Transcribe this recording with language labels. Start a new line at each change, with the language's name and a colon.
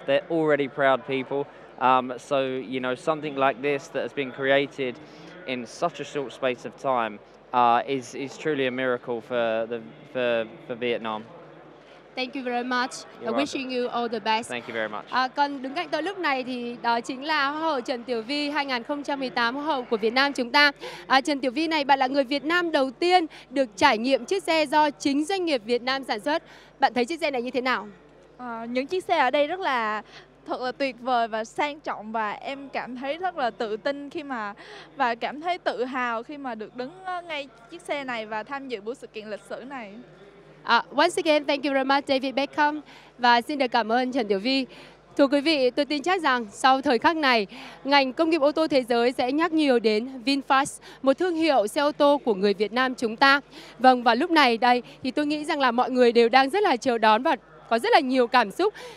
English: They're already proud people. So, you know, something like this that has been created in such a short space of time is truly a miracle for Vietnam. Thank you very much. You're wishing welcome. You all the best. Thank you very much.
Vietnamese: Còn đứng cạnh tôi lúc này thì đó chính là Hoa hậu Trần Tiểu Vy 2018, Hoa hậu của Việt Nam chúng ta. Trần Tiểu Vy này, bạn là người Việt Nam đầu tiên được trải nghiệm chiếc xe do chính doanh nghiệp Việt Nam sản xuất. Bạn thấy chiếc xe này như thế nào? Những chiếc xe ở đây rất là thật là tuyệt vời và sang trọng, và em cảm thấy rất là tự tin khi mà và cảm thấy tự hào khi mà được đứng ngay chiếc xe này và tham dự buổi sự kiện lịch sử này.
English: Once again, thank you very much, David Beckham.
Vietnamese: Và xin được cảm ơn Trần Tiểu Vy. Thưa quý vị, tôi tin chắc rằng sau thời khắc này, ngành công nghiệp ô tô thế giới sẽ nhắc nhiều đến VinFast, một thương hiệu xe ô tô của người Việt Nam chúng ta. Vâng, và lúc này đây thì tôi nghĩ rằng là mọi người đều đang rất là chờ đón và có rất là nhiều cảm xúc.